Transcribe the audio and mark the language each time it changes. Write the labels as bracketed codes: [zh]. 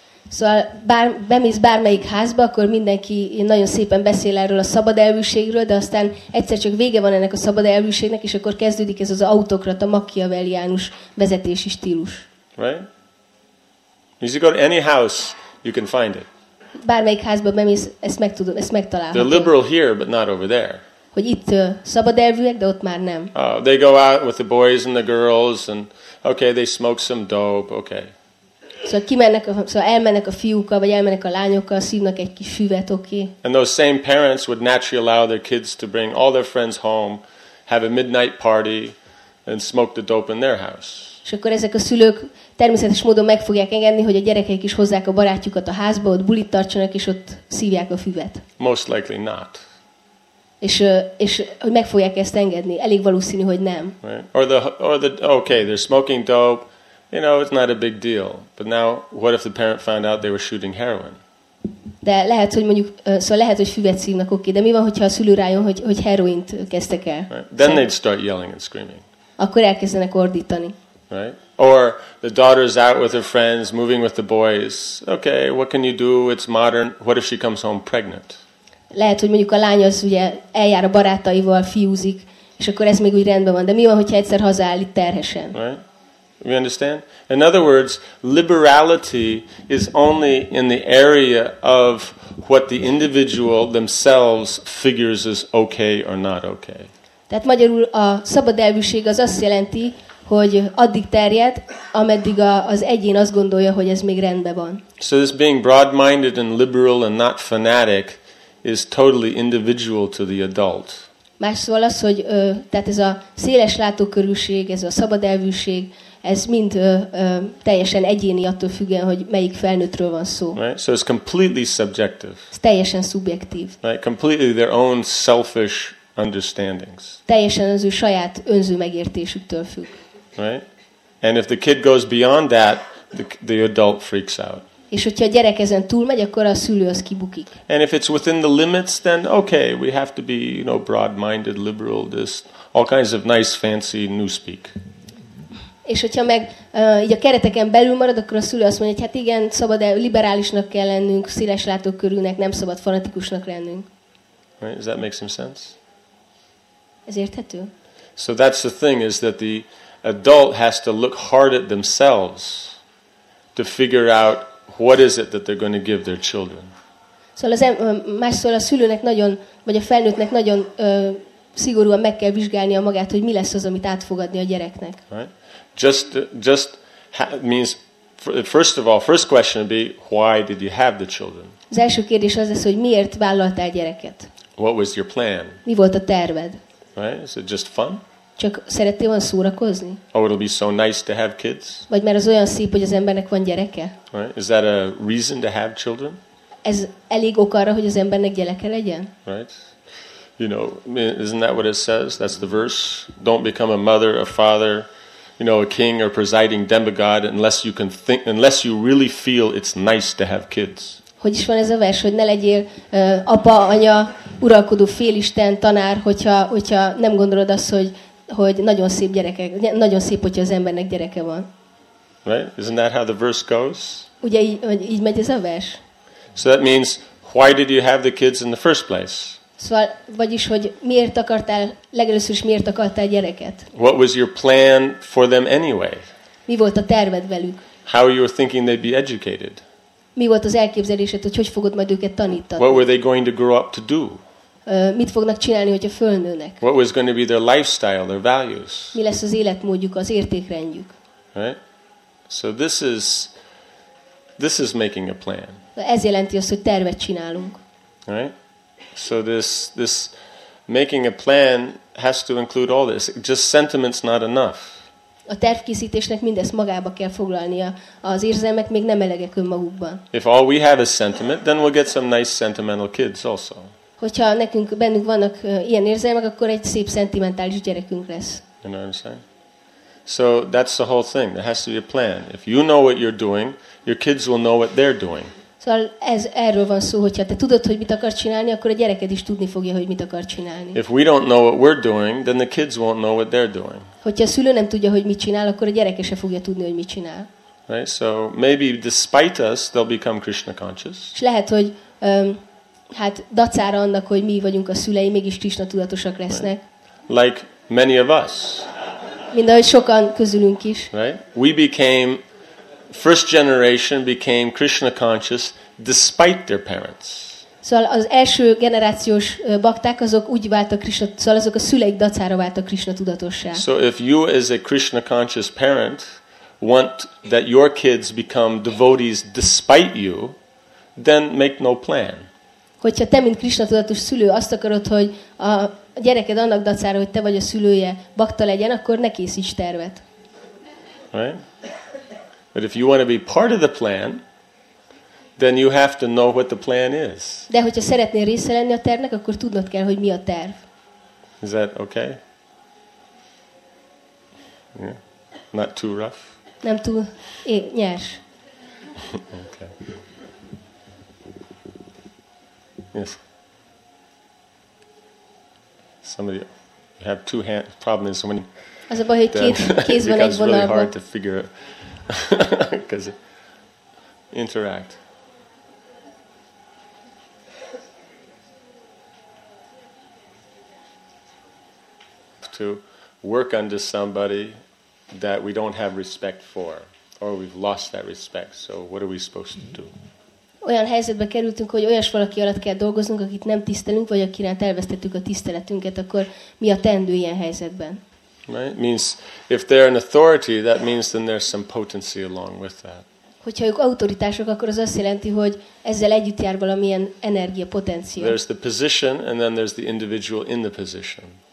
[hu] Szóval bemész bármelyik házba, akkor mindenki nagyon szépen beszél erről a szabad elvűségről, de aztán egyszer csak vége van ennek a szabad elvűségnek, és akkor kezdődik ez az autokrata, machiavelliánus vezetési stílus. [en] Right? If you go to any house, you can find it. [hu] Bármelyik házba bemész, ezt meg tudod, ezt megtalálhatod. [en] They're liberal here, but not over there. [hu] Hogy itt szabad elvűek, de ott már nem. [en] Oh, they go out with the boys and the girls, and okay, they smoke some dope, okay. [hu] Szóval kimennek, szóval elmennek a fiúkkal, vagy elmennek a lányokkal, szívnak egy kis füvet, oké. [en] And those same parents would naturally allow their kids to bring all their friends home, have a midnight party, and smoke the dope in their house. [hu] És akkor ezek a szülők természetes módon meg fogják engedni, hogy a gyerekeik is hozzák a barátjukat a házba, ott bulit tartsanak, és ott szívják a füvet. [en] Most likely not. [hu] És hogy meg fogják ezt engedni, elég valószínű, hogy nem. [en] Right. Or the okay, they're smoking dope. You know, it's not a big deal. But now, what if the parent found out they were shooting heroin? [hu] De lehet, hogy mondjuk, szóval lehet, hogy füvet szívnak, oké, de mi van, hogyha a szülő rájön, hogy heroint kezdtek el? [en] Right. Then they'd start yelling and screaming. [hu] Akkor elkezdenek ordítani. [en] Right? Or the daughter's out with her friends, moving with the boys. Okay, what can you do? It's modern. What if she comes home pregnant? [hu] Lehet, hogy mondjuk a lány az ugye eljár a barátaival, fiúzik, és akkor ez még úgy rendben van. De mi van, hogyha egyszer hazaáll itt terhesen? [en] Right? We understand? In other words, liberality is only in the area of what the individual themselves figures as okay or not okay. [hu] Tehát magyarul a szabad elvűség az azt jelenti, hogy addig terjed, ameddig az egyén azt gondolja, hogy ez még rendben van. [en] So this being broad-minded and liberal and not fanatic is totally individual to the adult. [hu] Más szóval az, hogy tehát ez a széles látókörűség, ez a szabad elvűség, ez mind teljesen egyéni attól függően, hogy melyik felnőttről van szó. [en] Right? So it's completely subjective. [hu] Ez teljesen szubjektív. [en] Right? Completely their own selfish understandings. [hu] Teljesen az ő saját önző megértésüktől függ. [en] Right? And if the kid goes beyond that, the adult freaks out. [hu] És hogyha a gyerek ezen túl megy, akkor a szülő az kibukik. [en] And if it's within the limits, then okay, we have to be, you know, broad-minded, liberal, this, all kinds of nice, fancy, newspeak. [hu] És hogyha meg így a kereteken belül marad, akkor a szülő azt mondja, hogy hát igen, szabad liberálisnak kell lennünk, széles látókörűnek, nem szabad fanatikusnak lennünk. [en] Right? Does that make some sense? [hu] Ez érthető? [en] So that's the thing, is that the adult has to look hard at themselves to figure out what is it that they're going to give their children. [hu] Szóval másszor a szülőnek nagyon, vagy a felnőttnek nagyon szigorúan meg kell vizsgálnia magát, hogy mi lesz az, amit átfogadni a gyereknek. [en] Right? Just means first of all, first question would be, why did you have the children? [hu] Az első kérdés az lesz, hogy miért vállaltál gyereket? [en] What was your plan? [hu] Mi volt a terved? [en] Right? Is it just fun? [hu] Csak szerettél olyan szórakozni? [en] Oh, it'll be so nice to have kids. [hu] Vagy mert az olyan szép, hogy az embernek van gyereke? [en] Right? Is that a reason to have children? [hu] Ez elég ok arra, hogy az embernek gyereke legyen? [en] Right? You know, isn't that what it says? That's the verse. Don't become a mother, a father, you know, a king or presiding demigod unless you can think, unless you really feel it's nice to have kids. [hu] Hogy is van ez a vers, hogy ne legyél apa, anya, uralkodó félisten, tanár, hogyha nem gondolod azt, hogy nagyon szép gyerekek, nagyon szép, hogyha az embernek gyereke van. [en] Right? Isn't that how the verse goes? [hu] Ugye így megy ez a vers? [en] So that means, why did you have the kids in the first place? [hu] Szóval, vagyis, hogy miért akartál, legelőször is miért akartál gyereket? [en] What was your plan for them anyway? [hu] Mi volt a terved velük? [en] How you were thinking they'd be educated? [hu] Mi volt az elképzelésed, hogy fogod majd őket tanítani? [en] What were they going to grow up to do? [hu] Mit fognak csinálni, hogyha fölnőnek? [en] What was going to be their lifestyle, their values? [hu] Mi lesz az életmódjuk, az értékrendjük? [en] Right? So this is making a plan. [hu] Ez jelenti azt, hogy tervet csinálunk. [en] Right? So this making a plan has to include all this. Just sentiments not enough. [hu] A tervkészítésnek mindezt magába kell foglalnia. Az érzelmek még nem elegek önmagukban. [en] If all we have is sentiment, then we'll get some nice sentimental kids also. [hu] Hogyha nekünk bennünk vannak ilyen érzelmek, akkor egy szép szentimentális gyerekünk lesz. [en] You know what I'm saying? So that's the whole thing. There has to be a plan. If you know what you're doing, your kids will know what they're doing. [hu] Szóval ez erről van szó, hogyha te tudod, hogy mit akar csinálni, akkor a gyereked is tudni fogja, hogy mit akar csinálni. [en] If we don't know what we're doing, then the kids won't know what they're doing. [hu] Hogyha a szülő nem tudja, hogy mit csinál, akkor a gyereke se fogja tudni, hogy mit csinál. [en] Right? So maybe despite us, they'll become Krishna conscious. [hu] És lehet, hogy hát dacára annak, hogy mi vagyunk a szülei, mégis Krishna tudatosak lesznek. [en] Right. Like many of us. [hu] Mint ahogy sokan közülünk is. [en] Right? We became first generation became Krishna conscious despite their parents. [hu] Szóval az első generációs bakták azok úgy váltak Krishna, szóval azok a szüleik dacára váltak Krishna tudatossá. [en] So if you as a Krishna conscious parent want that your kids become devotees despite you, then make no plan. [hu] Hogyha te mint Krishna tudatos szülő azt akarod, hogy a gyereked annak dacára, hogy te vagy a szülője, bakta legyen, akkor ne készíts tervet. [en] Right? But if you want to be part of the plan, then you have to know what the plan is. [hu] De hogyha szeretnél része lenni a tervnek, akkor tudnod kell, hogy mi a terv. [en] Is that okay? Yeah. Not too rough? [hu] Nem túl nyers. [en] Okay. Yes. Somebody have two hands. Problem is when [hu] az a baj, hogy kéz van egy vonalban. [en] Really hard to figure it. Because interact. To work under somebody that we don't have respect for, or we've lost that respect. So what are we supposed to do? [hu] Olyan helyzetbe kerültünk, hogy olyas valaki alatt kell dolgoznunk, akit nem tisztelünk, vagy akire elvesztettük a tiszteletünket, akkor mi a teendő ilyen helyzetben? [en] Right? Means if they're an authority, that means then there's some potency along with that. [hu] Hogyha ők autoritások, akkor az azt jelenti, hogy ezzel együtt jár valamilyen energia, potenció. [en] There's the position, and then there's the individual in the position.